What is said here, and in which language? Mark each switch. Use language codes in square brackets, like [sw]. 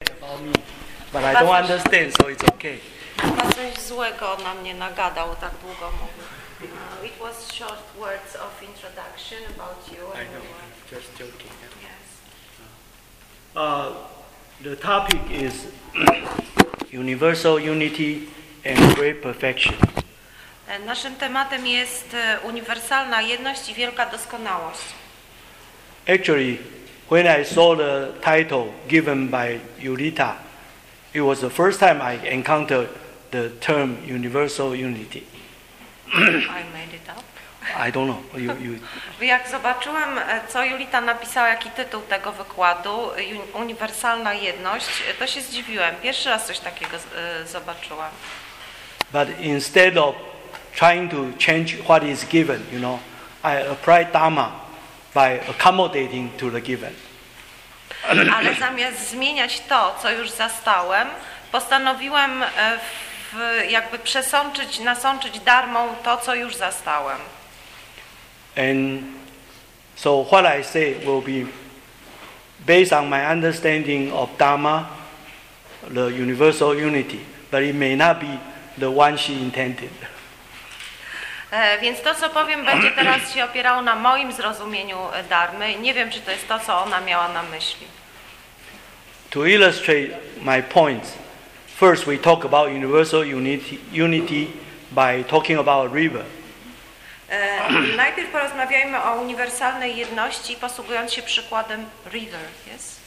[en] But I don't understand, so it's okay. [pl] Chyba coś złego na mnie nagadał, tak długo mówił. [en] It was short words of introduction about you. I know, just joking. Yeah. Yes. The topic is universal unity and great perfection. [pl] Naszym tematem jest uniwersalna jedność i wielka doskonałość. [en] Actually, when I saw the title given by Yulita, it was the first time I encountered the term universal unity. I made it up. I don't know. You. [pl] Jak zobaczyłem, co Yulita napisała, jaki tytuł tego wykładu, uniwersalna jedność, to się zdziwiłem. Pierwszy raz coś takiego zobaczyłem. [en] But instead of trying to change what is given, you know, I apply Dharma by accommodating to the given. [pl] Ale zamiast zmieniać to, co już zastałem, postanowiłem jakby przesączyć, nasączyć darmą to, co już zastałem. [en] And so what I say will be based on my understanding of Dharma, the universal unity, but it may not be the one she intended. [pl] Więc to, co powiem, będzie teraz się opierało na moim zrozumieniu darmy. Nie wiem, czy to jest to, co ona miała na myśli. [en] To illustrate my points, first we talk about universal unity by talking about river. [pl] Najpierw porozmawiajmy o uniwersalnej jedności, posługując się przykładem [en] river, yes?